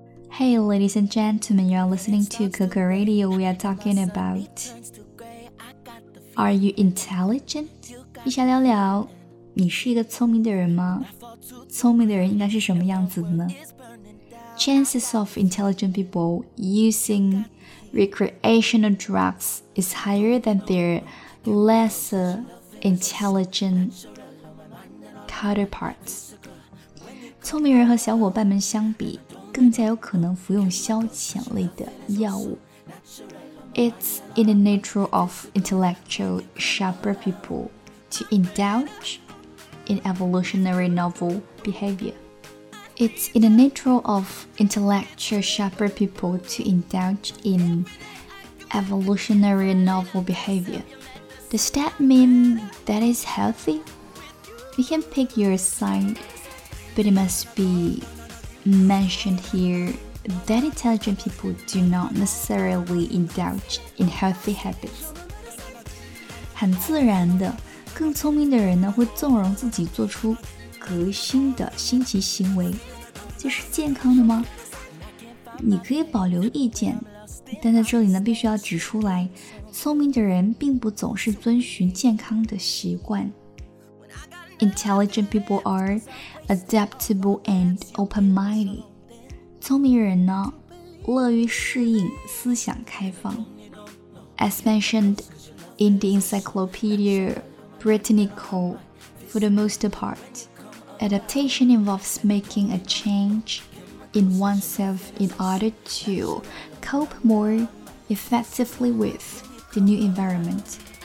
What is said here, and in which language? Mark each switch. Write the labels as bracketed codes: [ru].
[en] Hey, ladies and gentlemen, you are listening to Coco Radio. We are talking about Are you intelligent? [zh] 一下聊聊，你是一个聪明的人吗？聪明的人应该是什么样子的呢？ [en] Chances of intelligent people using recreational drugs is higher than their lesser intelligent counterparts. [zh] 聪明人和小伙伴们相比更加有可能服用消遣类的药物。 [en] It's in the nature of intellectual sharper people to indulge in evolutionary novel behavior. It's in the nature of intellectual sharper people to indulge in evolutionary novel behavior. Does that mean that is healthy? You can pick your side, but it must bementioned here that intelligent people do not necessarily indulge in healthy habits. [zh] 很自然的，更聪明的人呢会纵容自己做出革新的新奇行为，这是健康的吗？你可以保留意见，但在这里呢必须要指出来，聪明的人并不总是遵循健康的习惯。 [en] Intelligent people are adaptable and open-minded. [zh] 聪明人呢，乐于适应，思想开放。 [en] As mentioned in the Encyclopedia Britannica, for the most part, adaptation involves making a change in oneself in order to cope more effectively with the new environment.